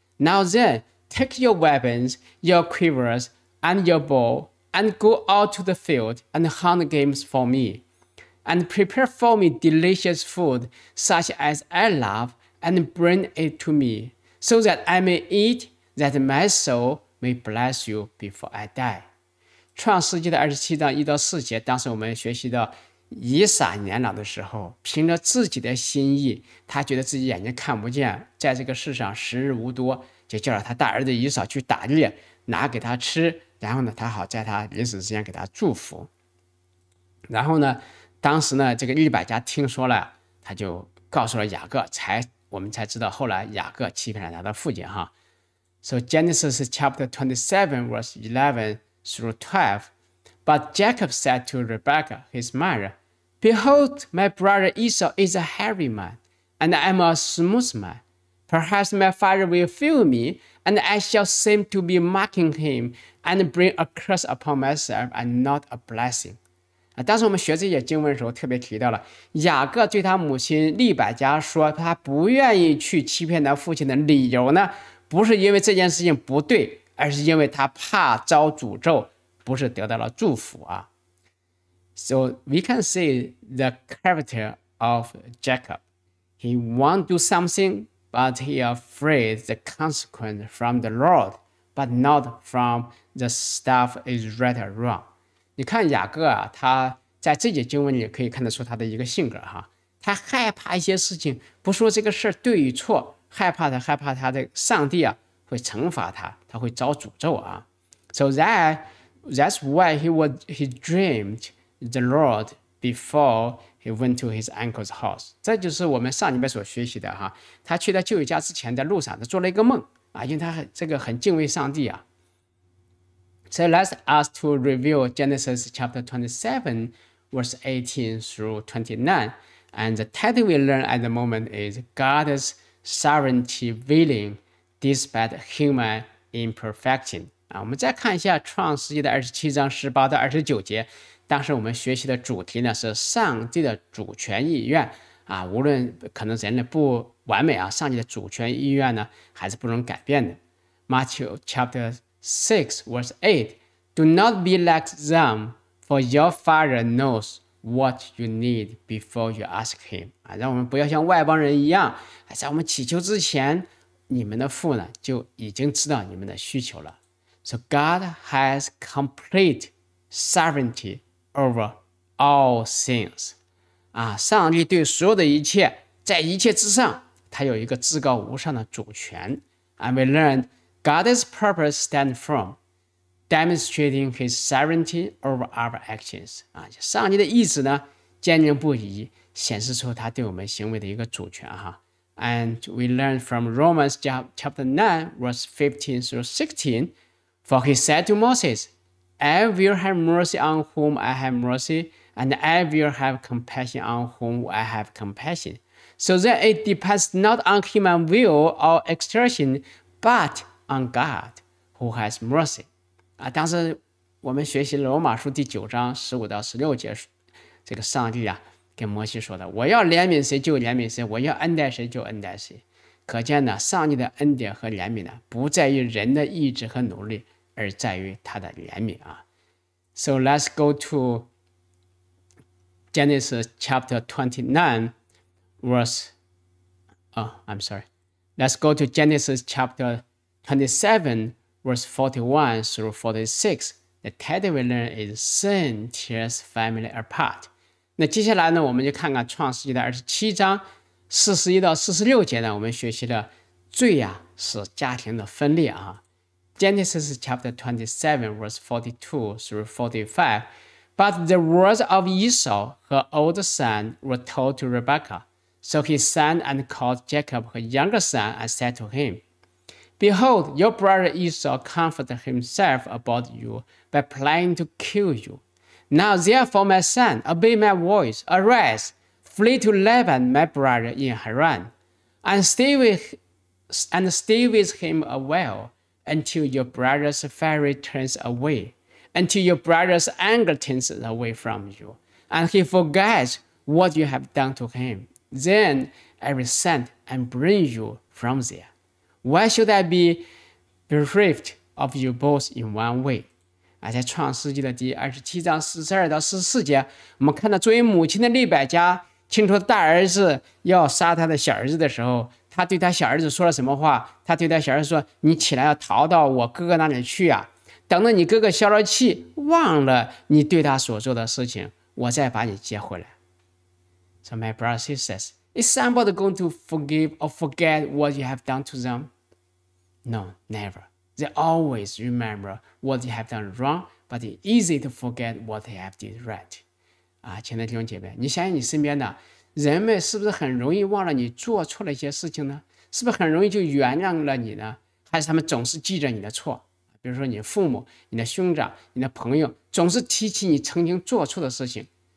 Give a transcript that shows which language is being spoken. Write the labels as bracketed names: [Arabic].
[English] Now then, take your weapons, your quivers, and your bow, and go out to the field and hunt game for me. And prepare for me delicious food, such as I love, and bring it to me, so that I may eat, that my soul may bless you before I die. [Chinese] 创世纪的27章1到4节，当时我们学习到以撒年老的时候，凭着自己的心意，他觉得自己眼睛看不见，在这个世上时日无多，就叫了他大儿子以扫去打猎，拿给他吃，然后呢，他好在他临死之前给他祝福。然后呢，当时呢，这个利百加听说了，他就告诉了雅各，我们才知道后来雅各欺骗了他的父亲哈。 [English] So Genesis chapter 27 verse 11 through 12. But Jacob said to Rebekah, his mother, Behold, my brother Esau is a hairy man, and I am a smooth man. Perhaps my father will fail me, and I shall seem to be mocking him, and bring a curse upon myself, and not a blessing. [Chinese] 当时我们学这些经文的时候特别提到了，雅各对他母亲利百加说他不愿意去欺骗他父亲的理由呢，不是因为这件事情不对，而是因为他怕遭诅咒。不是得到了祝福啊。 [English] So we can see the character of Jacob. He wants to do something, but he is afraid the consequence from the Lord, but not from the stuff is right or wrong. [Chinese] 你看雅各啊，他在这节经文里可以看得出他的一个性格哈。他害怕一些事情，不说这个事对与错，害怕他的上帝啊会惩罚他，他会遭诅咒啊。 [English] That's why he dreamed the Lord before he went to his uncle's house. [Chinese] 这就是我们上礼拜所学习的哈。他去他舅舅家之前，在路上他做了一个梦啊，因为他很敬畏上帝啊。 [English] So let's ask to review Genesis chapter 27, verse 18 through 29, and the title we learn at the moment is God's sovereignty willing despite human imperfection. [Chinese] 啊，我们再看一下创世纪的27:18-29，当时我们学习的主题呢是上帝的主权意愿啊，无论可能人类不完美啊，上帝的主权意愿呢还是不容改变的。 [English] Matthew chapter 6 verse 8 Do not be like them, for your father knows what you need before you ask him. [Chinese] 啊，让我们不要像外邦人一样，在我们祈求之前，你们的父呢就已经知道你们的需求了。 [English] So God has complete sovereignty over all things. [Chinese] 啊，上帝对所有的一切，在一切之上，他有一个至高无上的主权。 [English] And we learned God's purpose stands firm, demonstrating His sovereignty over our actions. [Chinese] 啊，上帝的意志呢，坚定不移，显示出他对我们行为的一个主权哈。 [English] And we learn from Romans chapter 9, verse 15 through 16, For he said to Moses, I will have mercy on whom I have mercy, and I will have compassion on whom I have compassion. So then it depends not on human will or exertion, but on God who has mercy. [Chinese] 啊，当时我们学习罗马书9:15-16，这个上帝啊跟摩西说的，我要怜悯谁就怜悯谁，我要恩待谁就恩待谁。可见呢，上帝的恩典和怜悯呢，不在于人的意志和努力，而在于他的怜悯啊。 [English] So let's go to Genesis chapter 29, verse. Let's go to Genesis chapter 27, verse 41 through 46. The title we learn is "Sin Tears Family Apart." [Chinese] 那接下来呢，我们就看看创世纪的27:41-46呢，我们学习了罪呀、使家庭的分裂啊。 [English] Genesis chapter 27, verse 42 through 45. But the words of Esau, her old son, were told to Rebekah. So he sent and called Jacob, her younger son, and said to him, Behold, your brother Esau comforted himself about you by planning to kill you. Now therefore, my son, obey my voice, arise, flee to Laban, my brother in Haran, and stay with him a while, until your brother's fury turns away, until your brother's anger turns away from you, and he forgets what you have done to him. Then I will send and bring you from there. Why should I be bereft of you both in one way? [Chinese] 在创世纪的27:42-44，我们看到作为母亲的利百加听说大儿子要杀他的小儿子的时候，他对他小儿子说了什么话？他对他小儿子说，你起来要逃到我哥哥那里去啊，等到你哥哥消了气，忘了你对他所做的事情，我再把你接回来。 [English] So my brother says, Is somebody going to forgive or forget what you have done to them? No, never. They always remember what they have done wrong, but it's easy to forget what they have did right. [Chinese] 啊，亲爱的弟兄姐妹，你想想你身边的人们是不是很容易忘了你做错了一些事情呢？是不是很容易就原谅了你呢？还是他们总是记着你的错？比如说你父母、你的兄长、你的朋友，总是提起你曾经做错的事情。